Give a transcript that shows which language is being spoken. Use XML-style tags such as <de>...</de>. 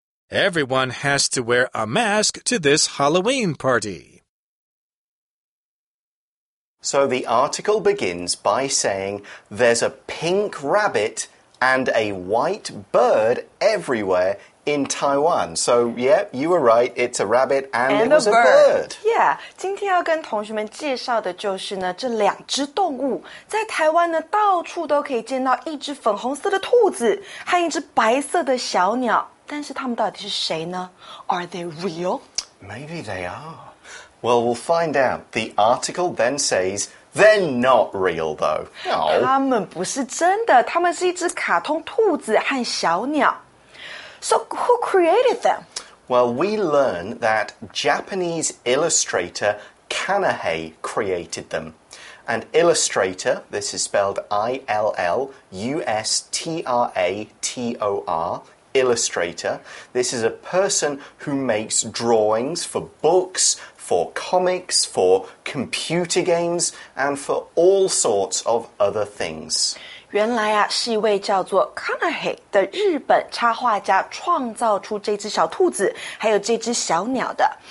<en>Everyone has to wear a mask to this Halloween party. So the article begins by saying, there's a pink rabbit and a white bird everywhere in Taiwan. So, yeah, you were right, it's a rabbit and it was a bird. Yeah,</en> <zh>今天要跟同学们介绍的就是呢这两只动物。在台湾呢到处都可以见到一只粉红色的兔子和一只白色的小鸟。但是他们到底是谁呢?</zh> <en>Are they real? Maybe they are. Well, we'll find out. The article then says, they're not real, though. No.</en> <zh>他们不是真的。他们是一只卡通兔子和小鸟。</zh> <en>So, who created them? Well, we learn that Japanese illustrator Kanahe created them. And illustrator, this is spelled I-L-L-U-S-T-R-A-T-O-R,Illustrator. This is a person who makes drawings for books, for comics, for computer games, and for all sorts of other things.</en> <zh>原来啊，是一位叫做 Kanahe 的日本插画家创造出这只小兔子，还有这只小鸟的。</zh>